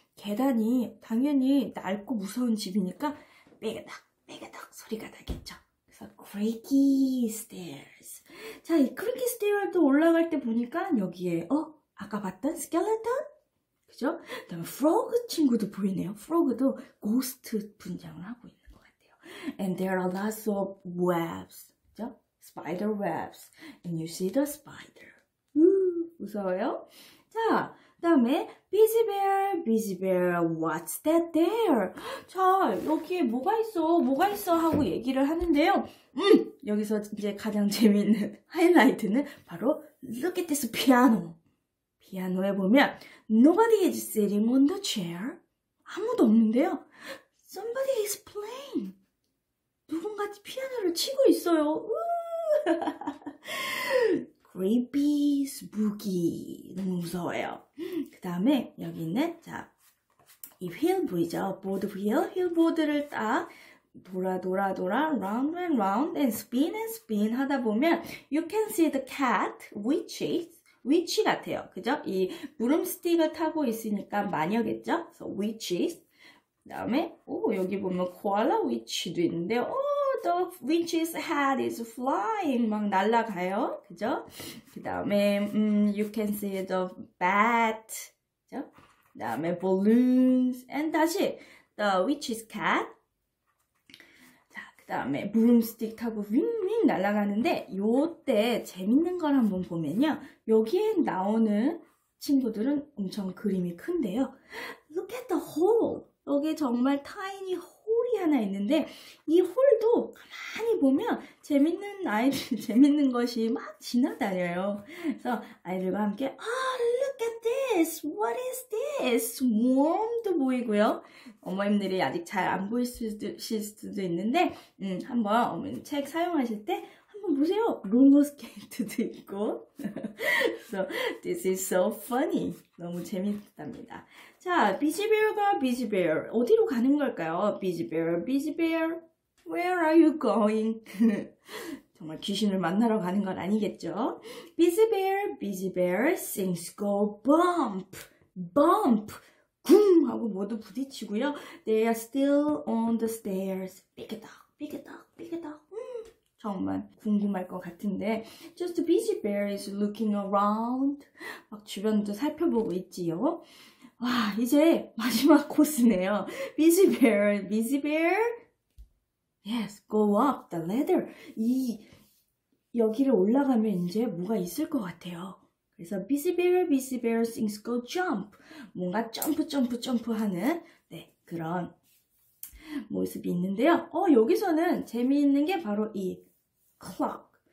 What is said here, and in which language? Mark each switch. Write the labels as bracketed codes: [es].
[ko] 계단이 당연히 낡고 무서운 집이니까 빼그닥 소리가 나겠죠. 그래서 [en] creaky stairs. [ko] 자, 이 creaky stairs도 올라갈 때 보니까 여기에, 아까 봤던 skeleton? 그죠? 그 다음에 frog 친구도 보이네요. frog도 ghost 분장을 하고 있는. [en] And there are lots of webs, [ko] 그죠? [en] Spider webs. And you see the spider. [ko] 무서워요? 자, 다음에 [en] 비즈베어, what's that there? [ko] 자, 여기에 뭐가 있어? 뭐가 있어? 하고 얘기를 하는데요. 여기서 이제 가장 재미있는 하이라이트는 바로 [en] look at this piano. [ko] 피아노에 보면 [en] nobody is sitting on the chair. [ko] 아무도 없는데요. [en] Somebody is playing. [ko] 누군가 피아노를 치고 있어요. [en] Creepy, spooky. [ko] 너무 무서워요. 그 다음에 여기 있는 자, 이 휠보이죠. 보드 휠. 휠보드를 딱 돌아 [en] round and round and spin [ko] 하다 보면 [en] you can see the cat, witch [ko] 같아요. 그죠? 이 브룸스틱을 타고 있으니까 마녀겠죠? [en] So witches. [ko] 그 다음에 여기 보면 코알라 위치도 있는데 [en] the witch's head is flying [ko] 막 날아가요 그죠? 그 다음에 [en] you can see the bat [ko] 그죠? 그 다음에 balloons and 다시 the witch's cat 자, 그 다음에 broomstick 타고 윙윙 날아가는데 요때 재밌는 걸 한번 보면요 여기에 나오는 친구들은 엄청 그림이 큰데요 [en] look at the hole [ko] 여기 정말 타이니 홀이 하나 있는데 이 홀도 가만히 보면 재밌는 아이들 재밌는 것이 막 지나다녀요. 그래서 아이들과 함께 [en] look at this. What is this? Warm도 보이고요. [ko] 어머님들이 아직 잘 안 보이실 수도 있는데 한번 어머님 책 사용하실 때 한번 보세요. 롤러스케이트도 있고. [en] So this is so funny. [ko] 너무 재밌답니다. 자, 비즈베어가 비즈베어 어디로 가는 걸까요? [en] 비즈베어, 비즈베어, where are you going? [ko] 정말 귀신을 만나러 가는 건 아니겠죠? 비즈베어, 비즈베어, [en] things go bump, bump, [ko] 궁 하고 모두 부딪히고요. [en] They are still on the stairs. [ko] 삐그덕, 삐그덕, 삐그덕. 정말 궁금할 것 같은데 [en] Just busy bear is looking around [ko] 막 주변도 살펴보고 있지요 와 이제 마지막 코스네요 Busy bear, busy bear [en] Yes, go up the ladder [ko] 이 여기를 올라가면 이제 뭐가 있을 것 같아요 그래서 [en] busy bear things go jump [ko] 뭔가 점프 하는 네 그런 모습이 있는데요 여기서는 재미있는 게 바로 이 clock.